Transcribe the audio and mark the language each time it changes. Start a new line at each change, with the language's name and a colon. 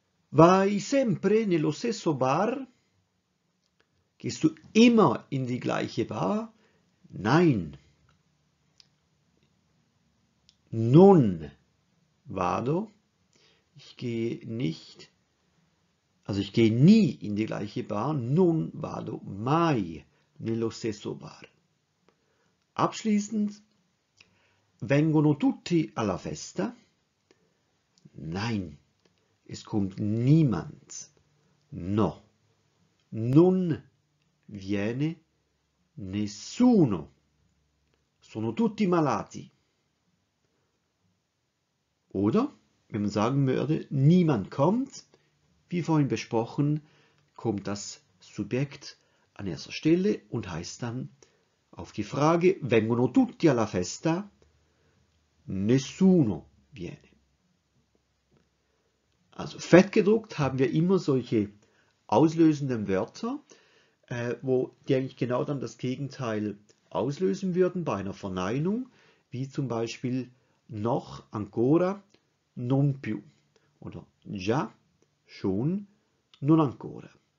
Italian: Vai sempre nello stesso bar?
German: Gehst du immer in die gleiche Bar? Nein.
Italian: Non vado.
German: Ich gehe nie in die gleiche Bar.
Italian: Non vado mai nello stesso bar. Abschließend, vengono tutti alla festa?
German: Nein, es kommt niemand.
Italian: No, non viene nessuno. Sono tutti malati.
German: Oder, wenn man sagen würde, niemand kommt, wie vorhin besprochen, kommt das Subjekt an erster Stelle und heißt dann, auf die Frage,
Italian: vengono tutti alla festa? Nessuno viene.
German: Also fettgedruckt haben wir immer solche auslösenden Wörter, wo die eigentlich genau dann das Gegenteil auslösen würden bei einer Verneinung, wie zum Beispiel noch,
Italian: ancora, non più. Oder già, schon, non ancora.